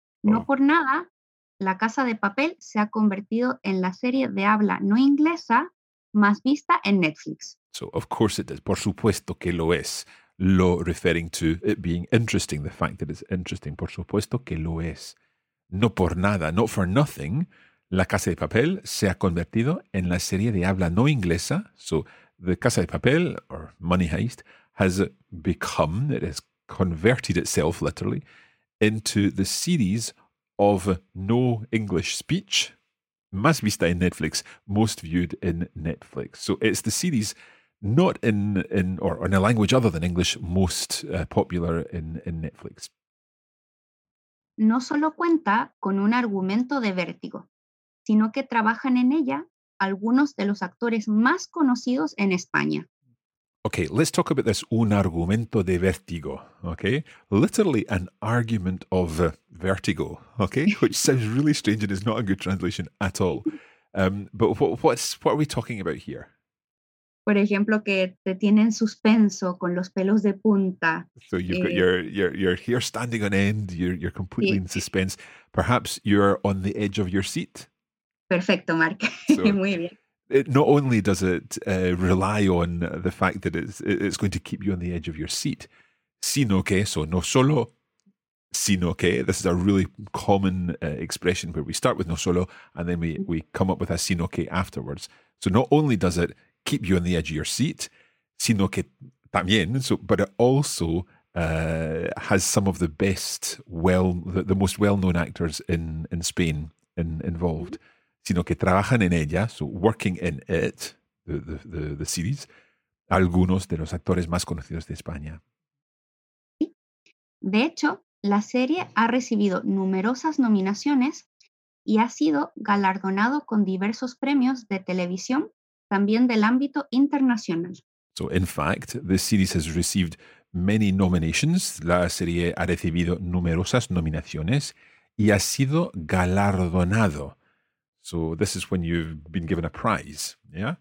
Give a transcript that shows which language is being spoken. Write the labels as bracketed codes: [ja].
[es] No por nada, La Casa de Papel se ha convertido en la serie de habla no inglesa más vista en Netflix. [en] So, of course it is. [es] Por supuesto que lo es. [en] Lo referring to it being interesting, the fact that it's interesting. [es] Por supuesto que lo es. No por nada, [en] not for nothing, [es] La Casa de Papel se ha convertido en la serie de habla no inglesa. [en] So, The Casa de Papel, or Money Heist, has become, it has converted itself, literally, into the series of no English speech, [es] más vista en Netflix, [en] most viewed in Netflix. So it's the series not in a language other than English most popular in Netflix. [es] No solo cuenta con un argumento de vértigo, sino que trabajan en ella algunos de los actores más conocidos en España. [en] Okay, let's talk about this [es] un argumento de vértigo, [en] okay? Literally an argument of vertigo, okay? Which sounds really strange and is not a good translation at all. But what are we talking about here? [es] por ejemplo, que te tienen suspenso con los pelos de punta. [en] So you've got your hair standing on end, you're completely in suspense. Perhaps you're on the edge of your seat. [es] Perfecto, Mark. Muy bien. [en] It not only does it rely on the fact that it's going to keep you on the edge of your seat, [es] sino que, [en] so [es] no solo, sino que, [en] this is a really common expression where we start with no solo and then we come up with a sino que afterwards. So not only does it keep you on the edge of your seat, [es] sino que también, [en] so, but it also has some of the best, the most well-known actors in Spain involved. [es] Sino que trabajan en ella, [en] so working in it, the series, [es] algunos de los actores más conocidos de España. De hecho, la serie ha recibido numerosas nominaciones y ha sido galardonado con diversos premios de televisión, también del ámbito internacional. [en] So in fact, the series has received many nominations. [es] La serie ha recibido numerosas nominaciones y ha sido galardonado. [en] So this is when you've been given a prize, yeah?